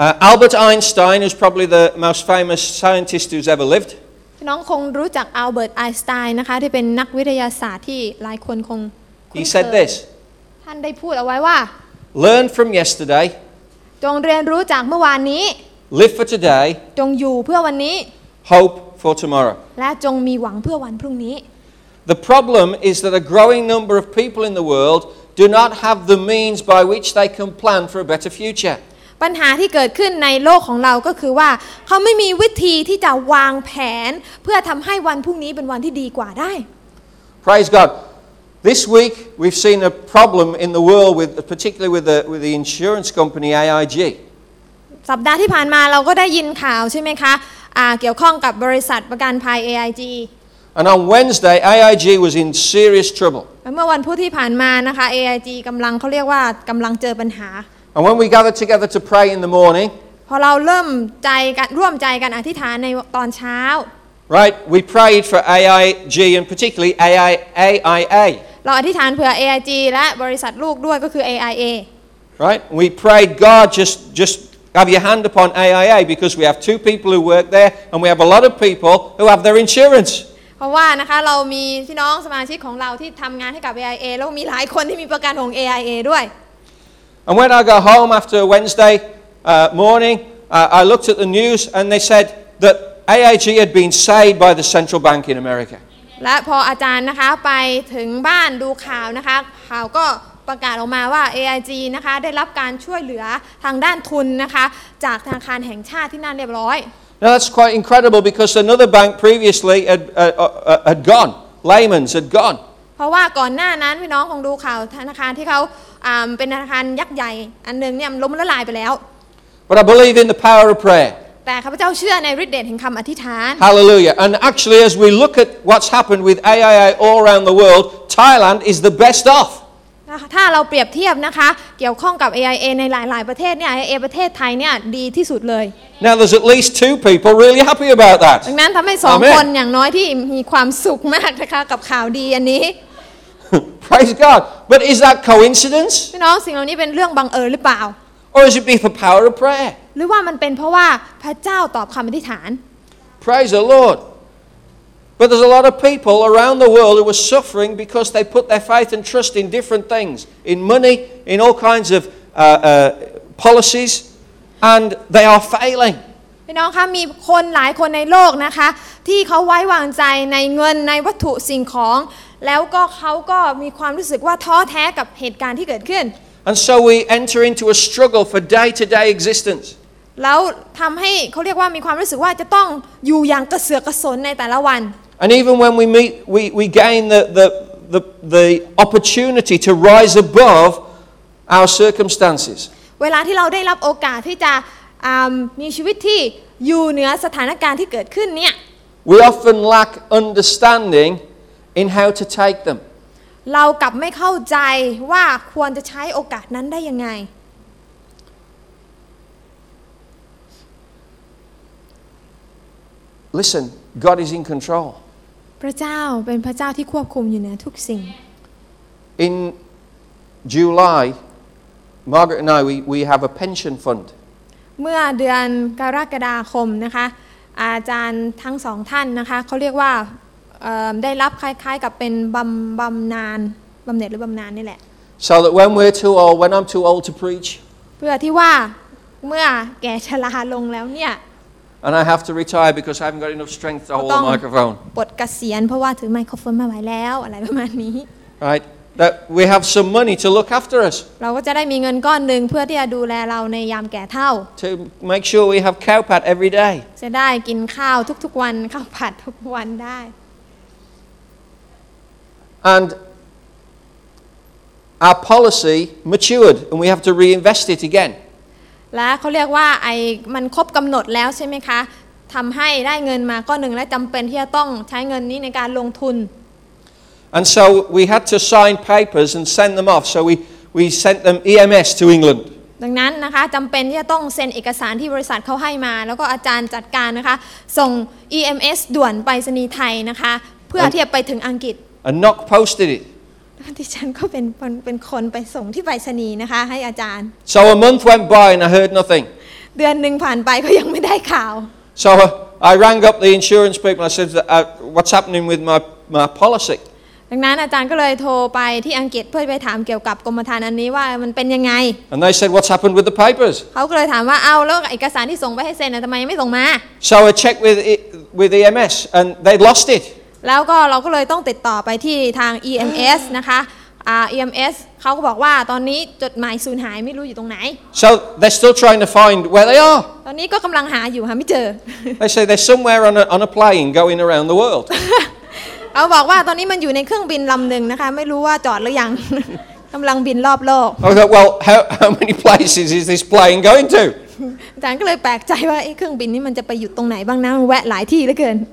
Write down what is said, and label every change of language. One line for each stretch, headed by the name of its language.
English: Albert Einstein is probably the most famous scientist who's ever lived.
Thai: น้องคงรู้จัก Albert Einstein นะคะที่เป็นนักวิทยาศาสตร์ที่หลายคนคงคุ้นเคย
English: He said this.
Thai: ท่านได้พูดเอาไว้ว่า
English: Learn from yesterday.
Thai: จงเรียนรู้จากเมื่อวานนี้
English: Live for today.
Thai: จงอยู่เพื่อวันนี้
English: Hope for tomorrow.
Thai: และจงมีหวังเพื่อวันพรุ่งนี้
English: The problem is that a growing number of people in the world do not have the means by which they can plan for a better future.
Thai: ปัญหาที่เกิดขึ้นในโลกของเราก็คือว่าเขาไม่มีวิธีที่จะวางแผนเพื่อทำให้วันพรุ่งนี้เป็นวันที่ดีกว่าได้
English: Praise God. This week we've seen a problem in the world with particularly with the insurance company AIG.
Thai: สัปดาห์ที่ผ่านมาเราก็ได้ยินข่าวใช่ไหมคะเกี่ยวข้องกับบริษัทประกันภัย AIG
English: And on Wednesday AIG was in serious trouble
Thai: เมื่อวันพุธที่ผ่านมานะคะ AIG กำลังเขาเรียกว่ากำลังเจอปัญหา
English: And when we gathered together to pray in the morning
Thai: พอเราเริ่มใจกันร่วมใจกันอธิษฐานในตอนเช้า
English: Right we prayed for AIG and particularly AIA
Thai: เราอธิษฐานเพื่อ AIG และบริษัทลูกด้วยก็คือ AIA
English: Right we prayed God justHave your hand upon AIA because we have two people who work there and we have a lot of people who have their insurance.
Thai: เพราะว่านะคะเรามีพี่น้องสมาชิกของเราที่ทํางานให้กับ AIA แล้วมีหลายคนที่มีประกันของ AIA ด้วย
English: And when I got home after Wednesday morning, I looked at the news and they said that AIG had been saved by the central bank in America.
Thai: และพออาจารย์นะคะไปถึงบ้านดูข่าวนะคะข่าวก็ประกาศออกมาว่า AIG นะคะได้รับการช่วยเหลือทางด้านทุนนะคะจากธนาคารแห่งชาติที่นั่นเรียบร้อย
English: Now that's quite incredible because another bank previously had gone Lehman's had gone
Thai: เพราะว่าก่อนหน้านั้นพี่น้องคงดูข่าวธนาคารที่เขาเป็นธนาคารยักษ์ใหญ่อันนึงเนี่ยล้มละลายไปแล้ว
English: But I believe in the power of prayer
Thai: แต่ข้าพเจ้าเชื่อในฤทธิ์เดชแห่งคำอธิษฐาน
English: Hallelujah and actually as we look at what's happened with AIA all around the world Thailand is the best off
Thai: ถ้าเราเปรียบเทียบนะคะเกี่ยวข้องกับ AIA ในหลายๆประเทศเนี่ย AIA ประเทศไทยเนี่ยดีที่สุดเลย
English: Now there's at least two people really happy about that
Thai: ดังนั้นทำให้สองคนอย่างน้อยที่มีความสุขมากนะคะกับข่าวดีอันนี้
English: Praise God but is that coincidence
Thai: พี่น้องสิ่งเหล่านี้เป็นเรื่องบังเอิญหรือเปล่า
English: Or is it be for power of prayer
Thai: หรือว่ามันเป็นเพราะว่าพระเจ้าตอบคำอธิษฐาน
English: Praise the LordBut there's a lot of people around the world who are suffering because they put their faith and trust in different things, in money, in all kinds of policies, and they are failing.
Thai: พี่น้องคะมีคนหลายคนในโลกนะคะที่เขาไว้วางใจในเงินในวัตถุสิ่งของแล้วก็เขาก็มีความรู้สึกว่าท้อแท้กับเหตุการณ์ที่เกิดขึ้น
English: And so we enter into a struggle for day-to-day existence.
Thai: แล้วทำให้เขาเรียกว่ามีความรู้สึกว่าจะต้องอยู่อย่างกระเสือกกระสนในแต่ละวัน
English: And even when we meet we gain the opportunity to rise above our circumstances
Thai: เวลาที่เราได้รับโอกาสที่จะมีชีวิตที่อยู่เหนือสถานการณ์ที่เกิดขึ้นเนี่ย
English: We often lack understanding in how to take them
Thai: เรากลับไม่เข้าใจว่าควรจะใช้โอกาสนั้นได้ยังไง
English: Listen, God is in control.
Thai: พระเจ้าเป็นพระเจ้าที่ควบคุมอยู่เหนือทุกสิ่ง
English: In July, Margaret and I we have a pension fund.
Thai: เมื่อเดือนกรกฎาคมนะคะอาจารย์ทั้งสองท่านนะคะเขาเรียกว่าได้รับคล้ายๆกับเป็นบำนาญบำเหน็จหรือบำนาญนี่แหละ
English: So that when we're too old, when I'm too old to preach.
Thai: เพื่อที่ว่าเมื่อแก่ชราลงแล้วเนี่ย
English: And I have to retire because I haven't got enough strength to hold the microphone.
Thai: ปลดเกษียณเพราะว่าถือไมโครโฟนไม่ไหวแล้วอะไรประมาณนี้
English: Right, that we have some money to look after us.
Thai: เราก็จะได้มีเงินก้อนนึงเพื่อที่จะดูแลเราในยามแก่เฒ่า
English: To make sure we have cow pat every day.
Thai: จะได้กินข้าวทุกๆวันข้าวผัดทุกวันได้
English: And our policy matured, and we have to reinvest it again.
Thai: และเขาเรียกว่าไอ้มันครบกำหนดแล้วใช่ไหมคะทำให้ได้เงินมาก้อนหนึ่งและจำเป็นที่จะต้องใช้เงินนี้ในการลงทุน
English: And so we had to sign papers and send them off so we sent them EMS to England
Thai: ดังนั้นนะคะจำเป็นที่จะต้องเซ็นเอกสารที่บริษัทเขาให้มาแล้วก็อาจารย์จัดการนะคะส่ง EMS ด่วนไปสนีไทยนะคะเพื่อที่จะไปถึงอังกฤษ
English: And not posted it
Thai: ดิฉันก็เป็นคนไปส่งที่ไปรษณีย์นะคะให้อาจารย์
English: So a month went by and I heard nothing
Thai: เดือนหนึ่งผ่านไปก็ยังไม่ได้ข่าว
English: So I rang up the insurance people and I said what's happening with my policy
Thai: ดังนั้นอาจารย์ก็เลยโทรไปที่อังกฤษเพื่อไปถามเกี่ยวกับกรมธรรม์อันนี้ว่ามันเป็นยังไง
English: And they said what's happened with the papers
Thai: เขาก็เลยถามว่าเอาแล้วเอกสารที่ส่งไปให้เซ็นทำไมยังไม่ส่งมา
English: So I checked with it, with EMS and they lost it.
Thai: แล้วก็เราก็เลยต้องติดต่อไปที่ทาง EMS นะคะEMS เขาก็บอกว่าตอนนี้จดหมายสูญหายไม่รู้อยู่ตรงไหน
English: So they're still trying to find where they are.
Thai: ตอนนี้ก็กำลังหาอยู่หาไม่เจอ
English: They say they're somewhere on a plane going around the world.
Thai: เขาบอกว่าตอนนี้มันอยู่ในเครื่องบินลำหนึ่งนะคะไม่รู้ว่าจอดหรือยังกำลังบินรอบโลก
English: I thought, well, how many places is this plane going to?
Thai: ฉันก็เลยแปลกใจว่าไอ้เครื่องบินนี่มันจะไปหยุดตรงไหนบ้างนะมันแวะหลายที่เหลือเกิน